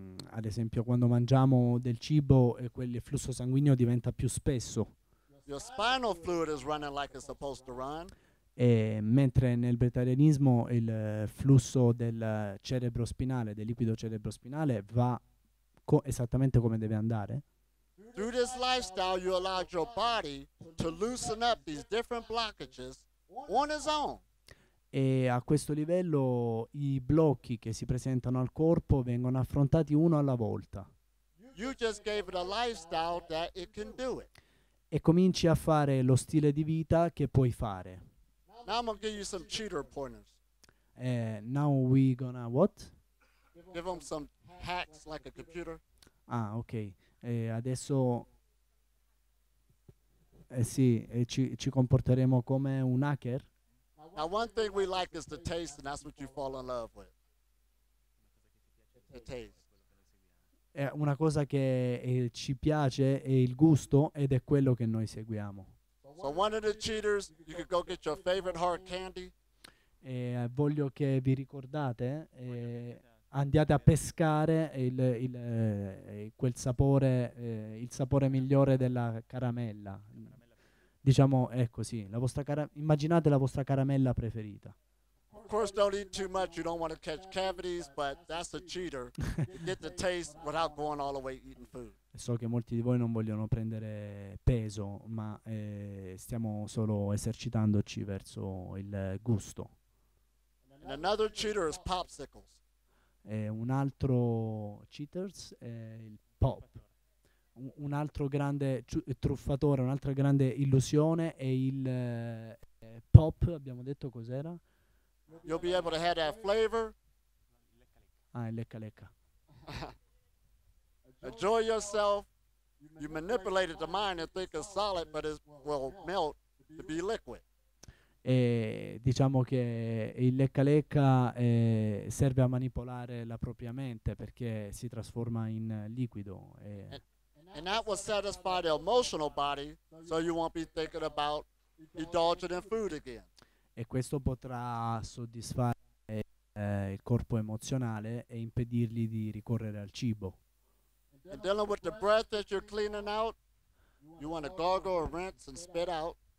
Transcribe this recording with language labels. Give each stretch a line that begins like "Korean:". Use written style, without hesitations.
Italian: Ad esempio, quando mangiamo del cibo, quel flusso sanguigno diventa più spesso.
English: Your spinal fluid is running like it's supposed to run.
Italian: E mentre nel bretarianismo il flusso del cerebro spinale, del liquido cerebro spinale, va esattamente come deve andare.
English: Through this lifestyle, you allow your body to loosen up these different blockages on its own.
Italian: E a questo livello i blocchi che si presentano al corpo vengono affrontati uno alla volta.
English: You just gave it a lifestyle that it can do it.
Italian: E cominci a fare lo stile di vita che puoi fare.
English: Now I'm gonna give you some cheater pointers. Now we gonna what? Give them some hacks like a computer.
Italian: Ah, ok. Adesso sì, ci comporteremo come un hacker.
English: Now one thing we like is the taste, and that's what you fall in love with. The taste.
Italian: Una cosa che ci piace è il gusto, ed è quello che noi seguiamo.
English: So one of the cheaters, you could go get your favorite hard candy.
Italian: Voglio che vi ricordate, andiate a pescare il sapore migliore della caramella. Diciamo, ecco sì, immaginate la vostra caramella preferita.
English: Of course don't eat too much, you don't want to catch cavities, but that's a cheater. Get the taste without going all the way eating food.
Italian: So che molti di voi non vogliono prendere peso, ma stiamo solo esercitandoci verso il gusto.
English: And another cheater is popsicles.
Italian: un altro cheaters è il pop. Un altro grande truffatore, un'altra grande illusione è il pop, abbiamo detto cos'era?
English: You'll be able to have that flavor.
Italian: Ah, il lecca lecca.
English: Enjoy yourself. You manipulated the mind to think it's solid, but it will melt to be liquid.
Italian: E diciamo che il lecca lecca serve a manipolare la propria mente perché si trasforma in liquido.
English: And that will satisfy the emotional body, so you won't be thinking about indulging in food again.
Italian: E questo potrà soddisfare il corpo emozionale e impedirgli di ricorrere al cibo.
English: And dealing with the breath that you're cleaning out, you want to gargle or rinse and spit out.